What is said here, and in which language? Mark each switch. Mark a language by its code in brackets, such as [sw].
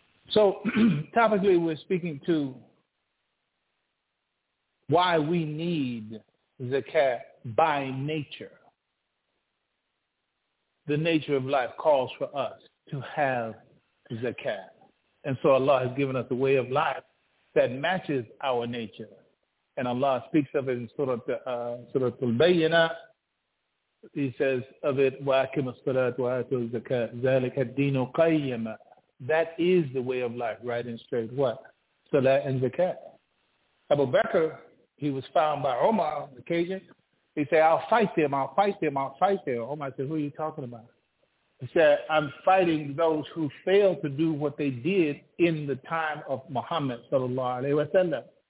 [en] So, topically, we're speaking to why we need zakat by nature. The nature of life calls for us to have zakat. And so Allah has given us a way of life that matches our nature. And Allah speaks of it in Surah Al-Bayyinah. [ar] He says of it, وَأَكِمَ الصَّلَاةُ وَأَتُوا الزَّكَاةُ ذَلِكَ الدِّينُ قَيِّمًا. [en] That is the way of life, right and straight. What? Salat and zakat. Abu Bakr, he was found by Omar on occasion. He said, I'll fight them. Omar said, who are you talking about? He said, I'm fighting those who failed to do what they did in the time of Muhammad, sallallahu alayhi wa sallam.